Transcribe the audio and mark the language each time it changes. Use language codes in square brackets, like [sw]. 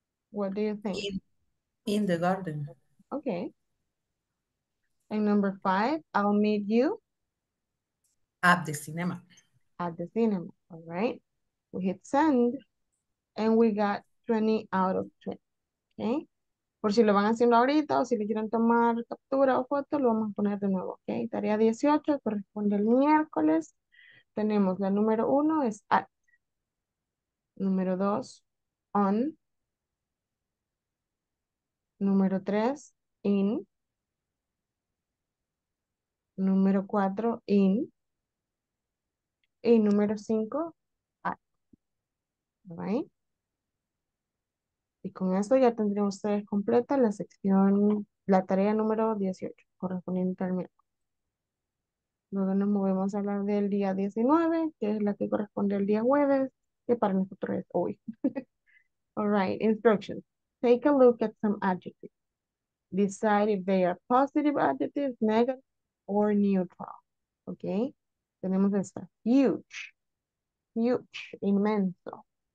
[en] What do you think? In the garden. Okay. And number five, I'll meet you At the cinema. at the cinema. All right. We hit send and we got 20 out of 20. Okay. [es] Por si lo van haciendo ahorita o si le quieren tomar captura o foto, lo vamos a poner de nuevo. [en] Okay. [es] Tarea 18 corresponde al miércoles. Tenemos la número uno es at. Número dos, on. Número 3, in. Número 4, in. Y número 5, at. [en] Right? [es] Y con esto ya tendrían ustedes completa la sección, la tarea número 18, correspondiente al miércoles. Luego nos movemos a hablar del día 19, que es la que corresponde al día jueves, que para nosotros es hoy. [en] All right, instructions. Take a look at some adjectives. Decide if they are positive adjectives, negative, or neutral. Okay. [es] Tenemos esta. Huge. Huge. Inmenso.